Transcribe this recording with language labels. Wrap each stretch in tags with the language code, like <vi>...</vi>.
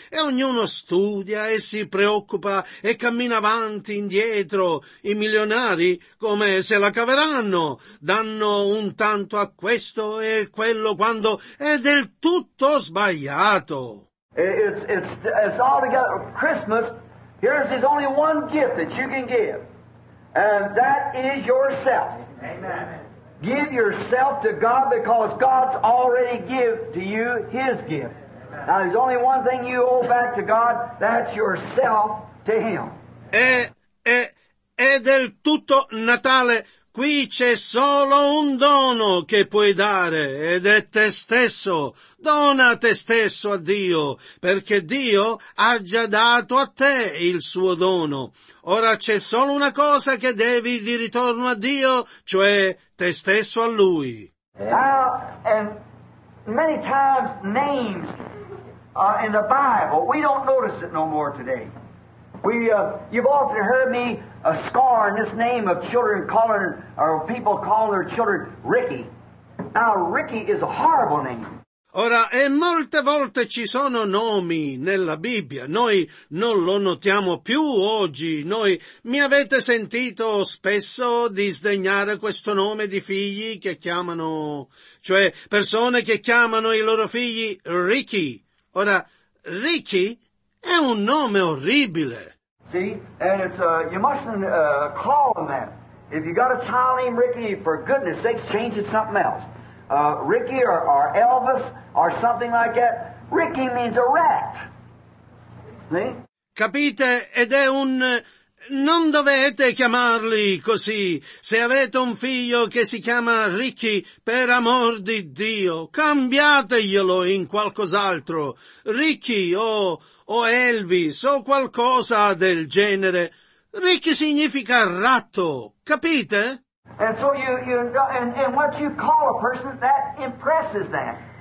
<it>E ognuno studia e si preoccupa e cammina avanti, indietro. I milionari come se la caveranno? Danno un tanto a questo e quello, quando è del tutto sbagliato.</it> <en>It's all together. Christmas, here is only one gift that you can give, and that is yourself. Amen. Give yourself to God, because God's already given to you His gift. Now there's only one thing you owe back to God, that's yourself to Him.</en> <it>È del tutto Natale. Qui c'è solo un dono che puoi dare, ed è te stesso. Dona te stesso a Dio, perché Dio ha già dato a te il suo dono. Ora c'è solo una cosa che devi di ritorno a Dio, cioè te stesso a Lui.</it> <en>Now, and many times names in the Bible, we don't notice it no more today. You've often heard me scorn this name of children calling, or people call their children Ricky. Now, Ricky is a horrible name.</en> <it>Ora, e molte volte ci sono nomi nella Bibbia, noi non lo notiamo più oggi, noi mi avete sentito spesso disdegnare questo nome di figli che chiamano, cioè persone che chiamano i loro figli Ricky. Ora, Ricky è un nome orribile.</it> <en>See, and it's you mustn't call him that. If you got a child named Ricky, for goodness sakes, change it to something else. Ricky or Elvis or something like that. Ricky means a rat. See?</en> <it>Capite? Ed è un... Non dovete chiamarli così. Se avete un figlio che si chiama Ricky, per amor di Dio, cambiateglielo in qualcos'altro. Ricky o Elvis o qualcosa del genere. Ricky significa ratto, capite?</it> <en>And so you and what you call a person, that impresses them.</en>